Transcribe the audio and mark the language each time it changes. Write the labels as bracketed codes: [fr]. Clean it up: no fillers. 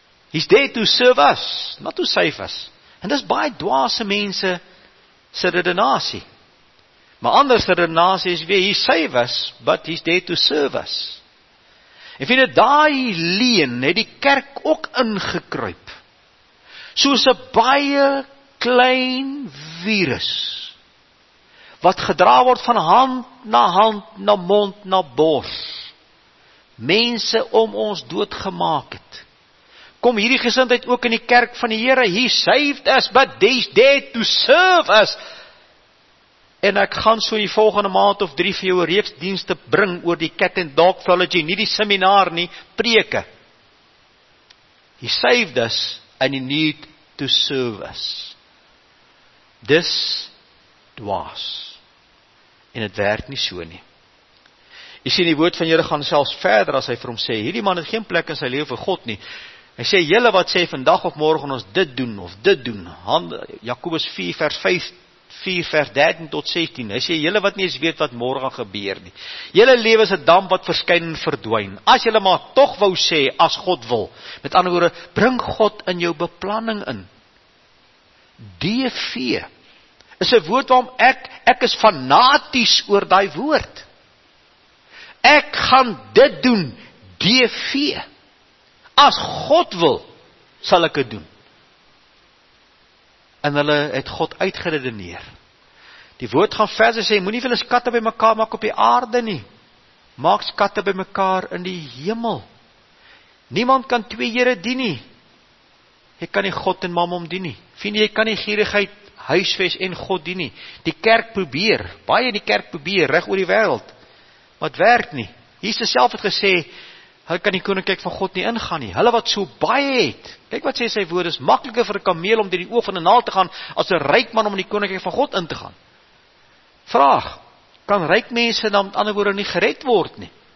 [en] He's there to serve us, not to save us. [af] En dis baie dwaase mense se redenasie. Maar ander se redenasie is weer, [en] he save us, but he's there to serve us. [af] En vind daai leen het die kerk ook ingekruip. Soos 'n baie klein virus, wat gedra word van hand na hand, na mond na bors. Mense om ons dood gemaak het. Kom hierdie gesindheid ook in die kerk van die Here, [en] he saved us, but he's there to serve us. [af] En ek gaan so die volgende maand of drie vir jou reeks dienste bring oor die cat and dog theology, nie die seminar nie, preke. [en] He saved us and he need to serve us. [af] Dis dwaas. En het werk nie so nie. Jy sien die woord van Here gaan selfs verder as hy vir hom sê, hierdie man het geen plek in sy lewe vir God nie. Hy sê, julle wat sê vandag of morgen ons dit doen, of dit doen, Jakobus 4 vers 13 tot 16, hy sê, julle wat nie eens weet wat morgen gebeur nie, julle lewe is 'n damp wat verskyn en verdwyn, as julle maar toch wou sê, as God wil, met ander woorde, bring God in jou beplanning in, DV is 'n woord waarom ek is fanaties oor die woord. Ek gaan dit doen, DV. As God wil, sal ek het doen. En hulle het God uitgeredeneer. Die woord gaan verder sê, moet nie veel skatte by mekaar maak op die aarde nie. Maak skatte by mekaar in die hemel. Niemand kan twee Here dien nie. Jy kan nie God en Mammon dien nie. Vind jy kan nie gierigheid huisves en God dien nie. Die kerk probeer, baie die kerk probeer, reg oor die wêreld. Maar het werk nie. Jesus self het gesê, hy kan die koninkryk van God nie ingaan nie. Hulle wat so baie het, kyk wat sê sy woord, is makkeliker vir 'n kameel om deur die oog van 'n naald te gaan, as 'n ryk man om in die koninkryk van God in te gaan. Vraag, kan ryk mense dan met ander woorde nie gered word nie?